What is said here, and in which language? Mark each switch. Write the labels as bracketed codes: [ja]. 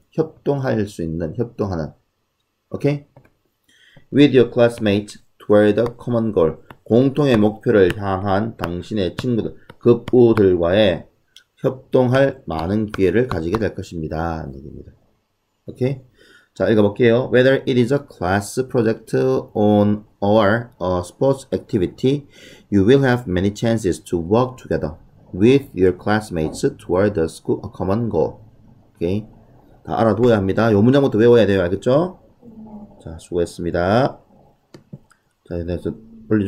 [ko] 협동할 수 있는, 협동하는. [en] Okay? With your classmates, toward the common goal. [ko] 공통의 목표를 향한 당신의 친구들, 급우들과의 협동할 많은 기회를 가지게 될 것입니다. 라는 얘기입니다. 오케이? 자, 읽어볼게요. [en] Whether it is a class project on or a sports activity, you will have many chances to work together with your classmates toward the school a common goal. [ko] 오케이? 다 알아두어야 합니다. 요 문장부터 외워야 돼요. 알겠죠? 자, 수고했습니다. 자, 이제 올려줄게요.